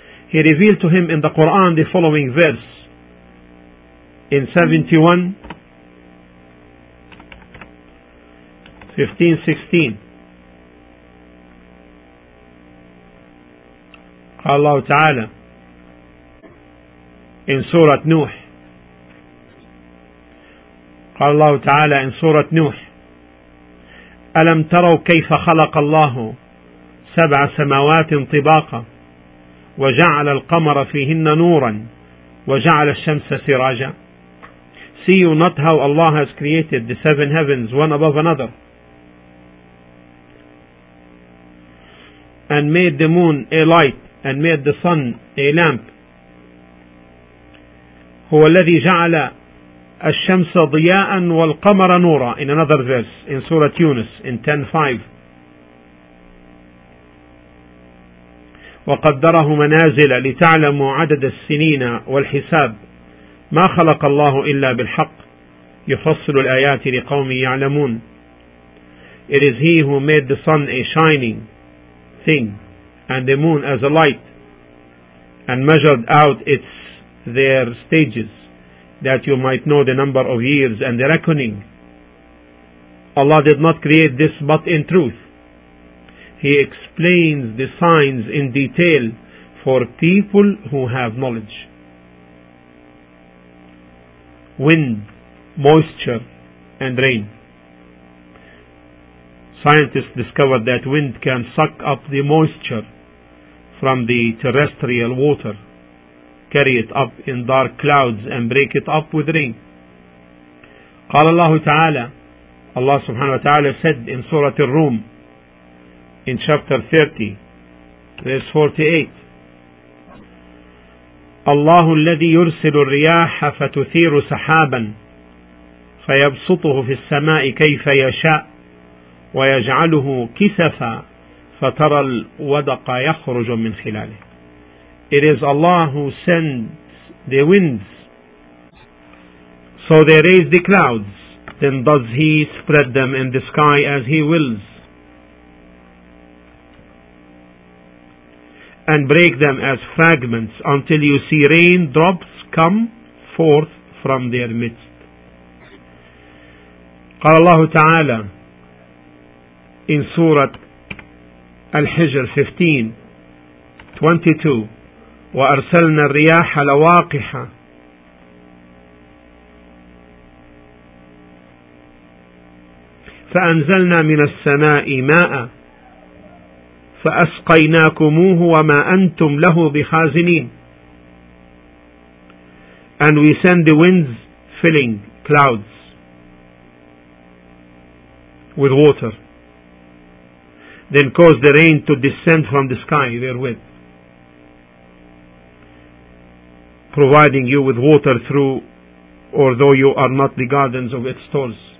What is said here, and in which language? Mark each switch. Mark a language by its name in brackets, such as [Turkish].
[English] He revealed to him in the Quran the following verse in 71:15-16. [Arabic] قال الله تعالى [English] in Surah Nuh. [Arabic] قال الله تعالى [English] in Surah Nuh. [Arabic] ألم تروا كيف خلق الله سبع سماوات طباقا وجعل القمر فيهن نورا وجعل الشمس سراجا. [English] See you not how Allah has created the seven heavens one above another and made the moon a light and made the sun a lamp. [Arabic] هو الذي جعل الشمس ضياء والقمر نورا. [English] In another verse in Surah Yunus in 10:5. [Arabic] وقدره منازل لتعلموا عدد السنين والحساب ما خلق الله إلا بالحق يفصل الآيات لقوم يعلمون. [English] It is he who made the sun a shining thing and the moon as a light and measured out their stages that you might know the number of years and the reckoning. Allah did not create this but in truth. He explains the signs in detail for people who have knowledge. Wind, moisture, and rain. Scientists discovered that wind can suck up the moisture from the terrestrial water, carry it up in dark clouds, and break it up with rain. [Arabic] قال الله تعالى, [English] Allah subhanahu wa ta'ala said in Surah Ar-Rum, in chapter 30:48, [Arabic] الله الذي يرسل الرياح فتثير سحابا فيبسطه في السماء كيف يشاء ويجعله كسفا فترى الودق يخرج من خلاله. [English] It is Allah who sends the winds so they raise the clouds, then does He spread them in the sky as He wills. and break them as fragments until you see raindrops come forth from their midst. [Arabic] قال الله تعالى [English] in Surah Al-Hijr 15:22 [Arabic] وَأَرْسَلْنَا الرِّيَاحَ لَوَاقِحَ فأنزلنا من السماء ماء فأسقيناكموه وما أنتم له بخازنين. [English] And we send the winds filling clouds with water, then cause the rain to descend from the sky therewith, providing you with water through, or though you are not the gardens of its stores.